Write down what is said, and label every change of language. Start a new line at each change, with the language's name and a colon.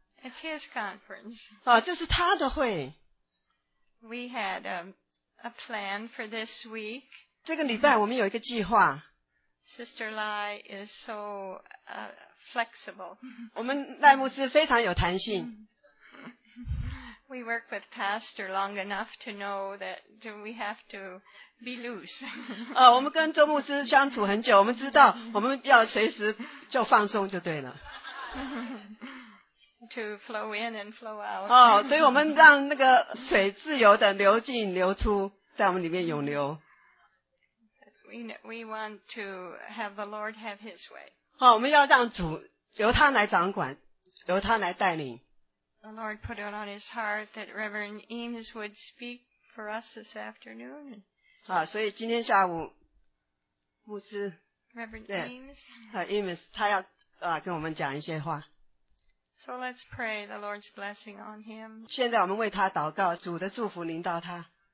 English: It's His conference.
Chinese: 哦，这是他的会。
English: We had a plan for this week.
Chinese: 这个礼拜我们有一个计划。
English: Sister Lai is so flexible.
Chinese: 我们赖牧师非常有弹性。
English: We work with Pastor long enough to know that we have to be loose.
Chinese: 我们跟周牧师相处很久，我们知道我们要随时就放松就对了。
English: To flow in and flow out.
Chinese: 哦，所以我们让那个水自由的流进流出，在我们里面涌流。
English: We want to have the Lord have His way.
Chinese: 哦，我们要让主由他来掌管，由他来带领。
English: The Lord put it on His heart that Reverend Eames would speak for us this afternoon.
Chinese: 啊，所以今天下午，牧师
English: Reverend Eames
Chinese: 和 Eames 他要跟我们讲一些话。
English: So let's pray the Lord's blessing on him.
Chinese: 现在我们为他祷告，主的祝福临到他。